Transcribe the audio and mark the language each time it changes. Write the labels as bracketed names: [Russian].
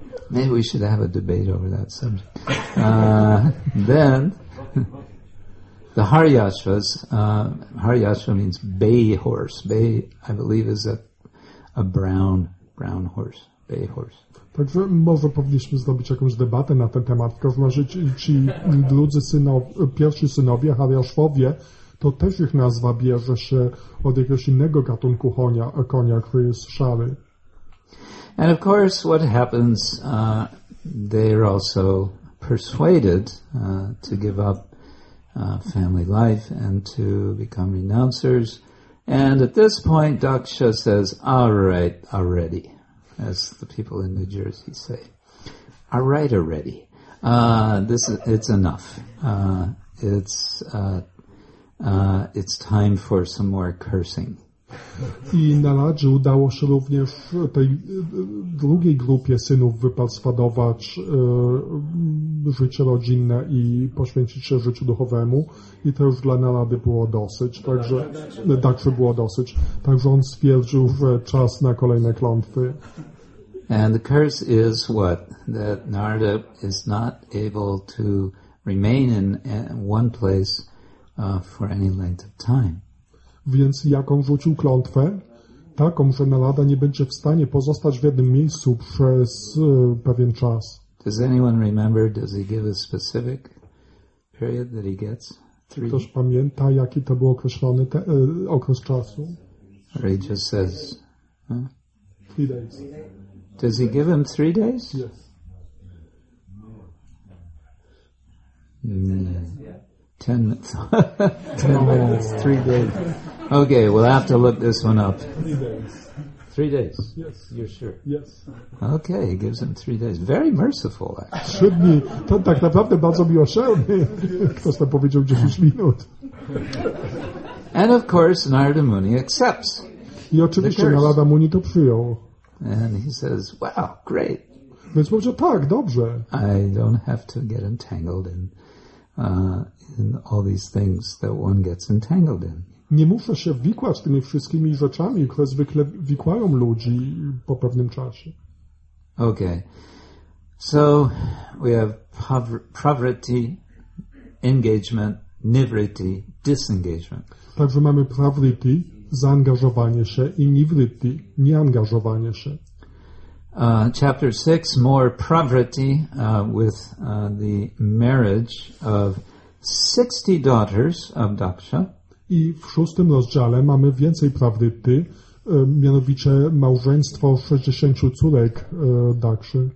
[English] Maybe we should have a debate over that subject. Then, the Haryashvas, Haryashva means bay horse. Bay, I believe, is a brown horse, bay horse. [Polish] Także może powinniśmy zrobić jakąś debatę na ten temat. W każdym razie ci drudzy synowie, pierwsi synowie, Haryashvowie, to też ich nazwa bierze się od jakiegoś innego gatunku konia, konia, który jest szary. [English] And of course, what happens, they are also persuaded to give up family life and to become renouncers. And at this point, Daksha says, all right, already, as the people in New Jersey say. All right, already. It's enough. It's time for some more cursing. [Polish] I na Radzie udało się również tej drugiej grupie synów wyperswadować życie rodzinne i poświęcić się życiu duchowemu. I to już dla Narady było dosyć. Także Daksha było dosyć. Także on stwierdził, że czas na kolejne klątwy. [English] And the curse is what? That Narada is not able to remain in one place for any length of time. [Polish] Więc jaką rzucił klątwę? Taką, że Narada nie będzie w stanie pozostać w jednym miejscu przez pewien czas. [English] Does anyone remember, does he give a specific period that he gets? Three? [Polish] Ktoś pamięta, jaki to był określony okres czasu? [English] Or he just says, huh? 3 days. Does he give him 3 days? Yes. No. 10 minutes. 10 minutes, 3 days. Okay, we'll have to look this one up. 3 days. 3 days? Yes. You're sure? Yes. Okay, he gives him 3 days. Very merciful, actually. Should be. [Polish] To tak naprawdę bardzo miłosierny. Ktoś tam powiedział 10 minut. [English] And of course, Narada Muni accepts. [Polish] I oczywiście Narada Muni to przyjął. [English] And he says, wow, great. [Polish] Więc powiedział, tak, dobrze. [English] I don't have to get entangled in in all these things that one gets entangled in. [Polish] Nie muszę się wikłać tymi wszystkimi rzeczami, które zwykle wikłają ludzi po pewnym czasie. [English] Okay. So we have pravritti, engagement, nivritti, disengagement. [Polish] Także mamy pravritti, zaangażowanie się, i nivritti, nieangażowanie się. [English] Chapter 6, more pravritti with the marriage of 60 daughters of Daksha. [Polish] I w szóstym rozdziale mamy więcej prawdy, mianowicie małżeństwo 60 córek Dakshy.